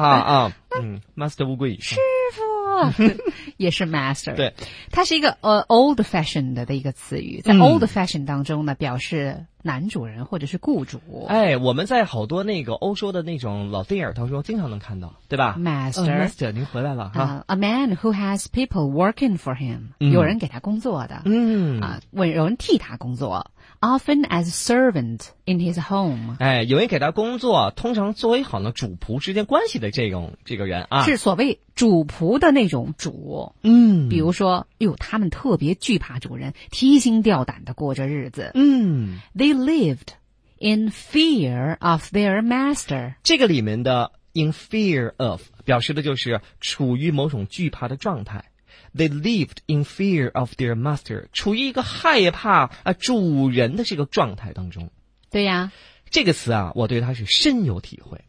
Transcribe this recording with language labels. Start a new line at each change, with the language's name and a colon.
Chinese: 哈啊，master 乌龟师傅也是 master，对，它是一个old fashioned 的一个词语，在 old fashioned 当中呢，表示男主人或者是雇主。哎，我们在好多那个欧洲的那种老电影当中经常能看到，对吧
English: ？master，
Chinese: 您回来了哈。
English: A man who has people working for him，
Chinese: 有人给他工作的，有人替他工作。
English: Often as a servant in his home.
Chinese: 哎，有人给他工作，通常作为好呢主仆之间关系的这个人啊，是所谓主仆的那种主。嗯，比如说，他们特别惧怕主人，提心吊胆的过着日子。
English: They lived in fear of their master.
Chinese: 这个里面的 in fear of 表示的就是处于某种惧怕的状态。
English: They lived in fear of their master，
Chinese: 处于一个害怕啊主人的这个状态当中。对呀，这个词啊，我对它是深有体会